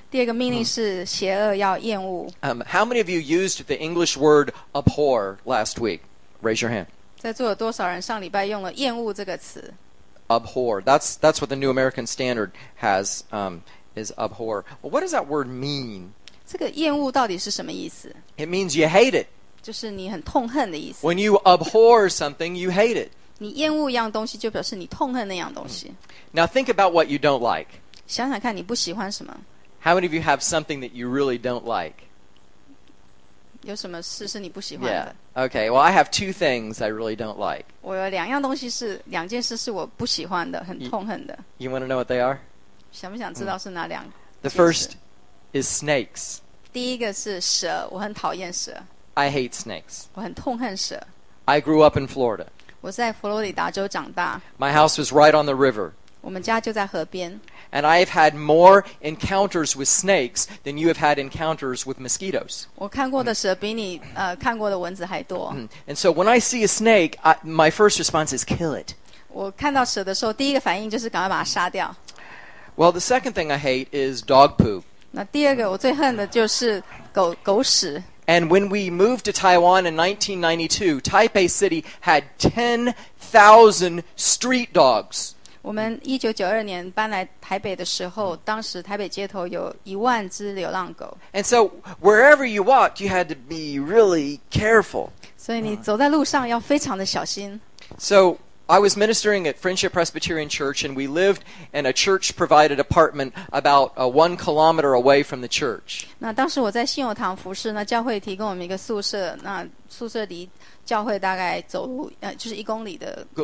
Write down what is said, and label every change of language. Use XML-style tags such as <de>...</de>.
<zh>第二个命令是邪恶要厌恶。</zh> <en>How many of you used the English word abhor last week? Raise your hand.</en> <zh>在座有多少人上礼拜用了厌恶这个词</zh> <en>Abhor. That's what the New American Standard has, is abhor. Well, what does that word mean?</en> <zh>这个厌恶到底是什么意思?</zh> <en>It means you hate it.</en> <zh>就是你很痛恨的意思。</zh> <en>When you abhor something, you hate it.</en> <zh>你厌恶一样东西就表示你痛恨那样东西。</zh> <en>Now think about what you don't like.</en> <zh>想想看你不喜欢什么。</zh> <en>How many of you have something that you really don't like?</en> <zh>有什么事是你不喜欢的</zh> <en>yeah. Okay, well, I have two things I really don't like.</en> <zh>我有两样东西是两件事是我不喜欢的很痛恨的</zh> <en>You want to know what they are?</en> <zh>想不想知道是哪两件事</zh> <en>The first is snakes.</en> <zh>第一个是蛇我很讨厌蛇</zh> <en>I hate snakes.</en> <zh>我很痛恨蛇</zh> <en>I grew up in Florida.</en> <zh>我在佛罗里达州长大</zh> <en>My house was right on the river.</en> <zh>我们家就在河边</zh> <en>And I have had more encounters with snakes than you have had encounters with mosquitoes.</en> <zh>我看过的蛇比你看过的蚊子还多</zh> <en>And so when I see a snake, my first response is kill it.</en> <zh>我看到蛇的时候第一个反应就是赶快把它杀掉</zh> <en>Well, the second thing I hate is dog poop.</en> <zh>那第二个我最恨的就是狗屎</zh> <en>And when we moved to Taiwan in 1992, Taipei City had 10,000 street dogs.</en> <zh>我们1992年搬来台北的时候，当时台北街头有10,000只流浪狗。</zh> <en>And so wherever you walked, you had to be really careful.</en> <zh>所以你走在路上要非常的小心。</zh> <en>So I was ministering at Friendship Presbyterian Church, and we lived in a church-provided apartment about 1 kilometer away from the church.</en> <zh>那当时我在信友堂服侍，那教会提供我们一个宿舍，那宿舍离。教会大概走路就是1公里的</zh>